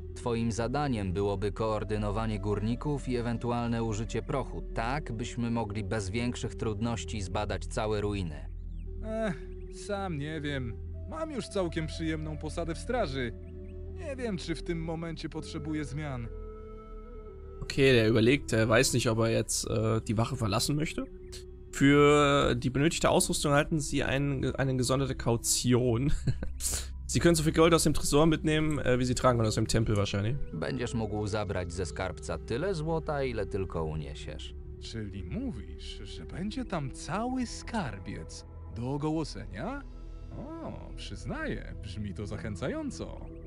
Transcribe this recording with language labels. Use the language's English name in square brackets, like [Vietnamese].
[Polish] Twoim zadaniem byłoby koordynowanie górników i ewentualne użycie prochu, tak byśmy mogli bez większych trudności zbadać całe ruiny. Sam nie wiem. Mam już całkiem przyjemną posadę w straży. Nie wiem, czy w tym momencie potrzebuję zmian. [German] Okay, der überlegt, er weiß nicht, ob er jetzt die Wache verlassen möchte. Für die benötigte Ausrüstung halten Sie eine gesonderte Kaution. Sie können so viel Gold aus dem Tresor mitnehmen, wie Sie tragen können, aus dem Tempel wahrscheinlich. [Polish] Będziesz mógł zabrać ze skarbca tyle złota, ile tylko uniesiesz. Czyli mówisz, że będzie tam cały skarbiec do ogołoszenia? O, przyznaję, brzmi to zachęcająco.